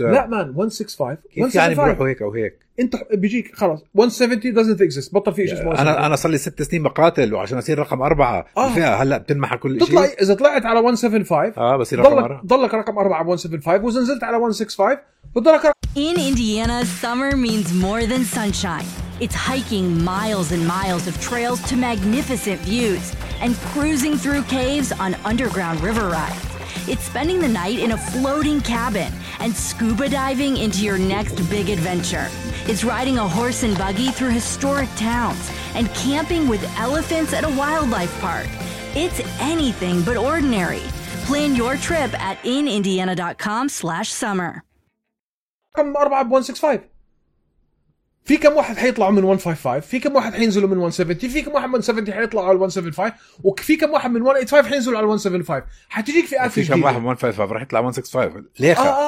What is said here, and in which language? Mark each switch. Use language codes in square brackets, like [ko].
[ar] لا مان 165 كيف يعني بروحوا هيك او هيك؟ انت بيجيك خلاص 170 [en] doesn't exist [ar] بطل في شيء اسمه. انا صار لي 6 سنين مقاتل وعشان اصير رقم 4 فيها هلا بتنمح كل شيء. تطلع اذا طلعت على 175 بصير رقم 4 ضلك رقم 4 على 175 واذا نزلت على 165 بتضلك رقم. [en] In Indiana, summer means more than sunshine. It's hiking miles and miles of trails to magnificent views and cruising through caves on underground river rides. It's spending the night in a floating cabin and scuba diving into your next big adventure. It's riding a horse and buggy through historic towns and camping with elephants at a wildlife park. It's anything but ordinary. Plan your trip at inindiana.com/summer. [ar] كم 4165؟ في كم واحد حيطلعوا من 155؟ في كم واحد حينزلوا من 170؟ في كم واحد من 170 حيطلع على 175؟ وفي كم واحد من 185 حينزلوا على 175؟ حتجيك فئات جديدة. في كم واحد من 155 راح يطلع 165؟ ليخة.